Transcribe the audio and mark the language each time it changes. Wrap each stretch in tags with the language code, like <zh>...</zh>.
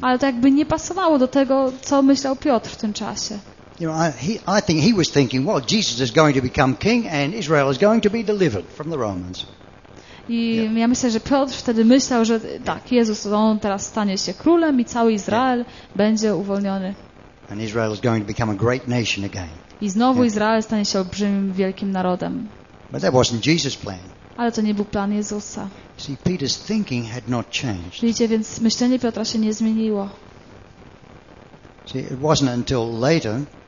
<pl>Ale to jakby nie pasowało do tego, co myślał Piotr w tym czasie.</pl> <en>You know, I think he was thinking, well, Jesus is going to become king and Israel is going to be delivered from the Romans.</en> <pl>I ja myślę, że Piotr wtedy myślał, że tak, Jezus, on teraz stanie się królem i cały Izrael będzie uwolniony.</pl> <en>And Israel is going to become a great nation again.</en> <pl>I znowu Izrael stanie się olbrzymim, wielkim narodem.</pl> <en>But that wasn't Jesus' plan.</en> <pl>Ale to nie był plan Jezusa.</pl> <en>See, Peter's thinking had not changed.</en> <pl>Widzicie, więc myślenie Piotra się nie zmieniło.</pl> <en>See, it wasn't until later,</en>